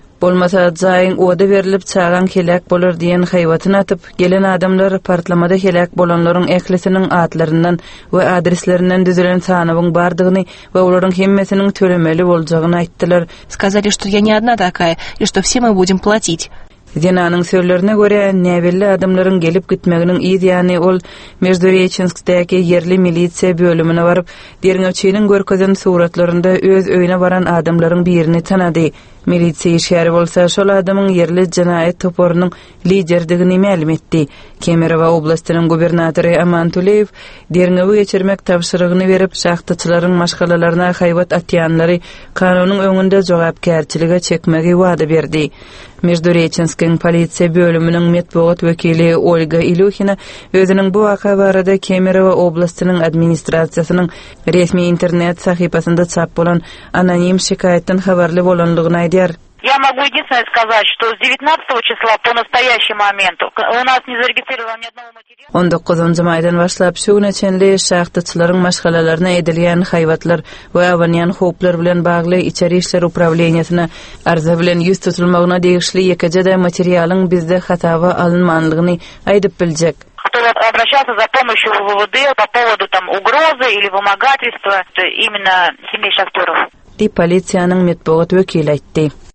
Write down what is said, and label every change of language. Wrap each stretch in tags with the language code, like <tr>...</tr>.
<tk>Bolmasa jaýyň oda berilip çağan helak bolar diýen haýwatyny atyp gelen adamlar partlamada helak bolanlaryň ählisiniň adlarından we adreslerinden düzülen sanawyň bardygyny we olaryň hemmesiniň tölemeli boljagyny aýtdylar.</tk> <ru>Сказали, что я не одна такая, и что все мы будем платить.</ru> <tk>Zenanyň söýlerine görä, näbelli adamlaryň gelip gitmeginiň ideýany ol Mezdoryechinskdäki yerli milisiýa bölümine baryp, derňewçiniň görkezen suratlarynda öz öýüne baran adamlaryň birini tanady. Milisiýa işgäri bolsa, şol adamyň yerli jenayet toporunyň liderdigini mälim etdi. Kemerowo oblastynyň gubernatory Aman Tuleyew derňewi geçirmek tapşyrygyny berip, şahtyçylaryň maşgalalaryna haýwat atýanlary kanunyň öňünde jogapkärçiligi çekmegi wada berdi. Mezdoryechinskiň polisiýa bölüminiň medpugat wekili Olga Ilyuhina özüniň bu waka barada Kemerowo oblastynyň administrasiýasynyň resmi internet sahypasynda çap bolan anonim şikayetden habarly bolanlygyny aýdýar.</tk> <ru>Я могу единственное сказать, что с 19 числа по настоящему моменту у нас не зарегистрировано ни одного материала.</ru> <tk>19-njy maýdan başlap şuňaçenli şahtyçylaryň maşgalalaryna edilýän haýwatlar we awanyň howplar bilen bagly içeri işler управленiýasyna arza bilen ýüz tutulmagyna degişli ýekejede materialyň bizde hatawa alınmanlygyny aýdyp biljek.</tk> <ru>Которые обращаются за помощью в УВВД по поводу там угрозы или вымогательства именно семей шахтёров.</ru> <tk>Ди полициянын медпугат өкили айтты.</tk>